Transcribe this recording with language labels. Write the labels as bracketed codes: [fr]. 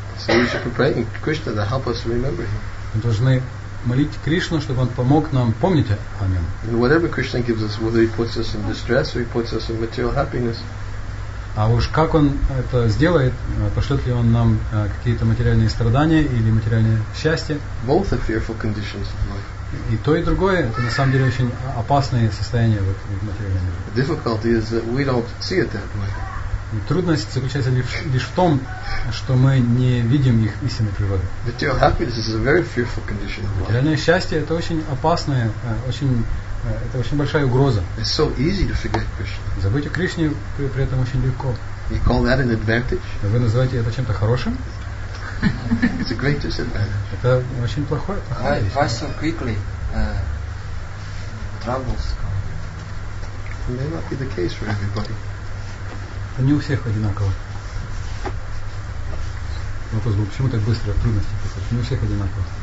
[en] So we should be praying Krishna to help us remember him. [ru] Мы должны молить Кришну, чтобы он помог нам помнить о нем. [en] And whatever Krishna gives us, whether he puts us in distress or he puts us in material happiness. [ru] А уж как он это сделает, пошлет ли он нам какие-то материальные страдания или материальное счастье? [en] Both are fearful conditions in life. [ru] И то, и другое, это на самом деле очень опасные состояния в материальном мире. [en] The difficulty is that we don't see it that way. [ru] И трудность заключается лишь в том, что мы не видим их истинной природы. [en] Material happiness is a very fearful condition. [ru] Материальное счастье – это очень опасное, это очень большая угроза. [en] It's so easy to forget Krishna. [ru] Забыть о Кришне при этом очень легко. [en] You call that an advantage? [ru] Вы называете это чем-то хорошим? [en] It's a great disadvantage. [ru] Это очень плохое. [en] Why so quickly troubles come? It may not be the case for everybody. [ru] Это не у всех одинаково. Вопрос был, почему так быстро трудности приходят? Не у всех одинаково.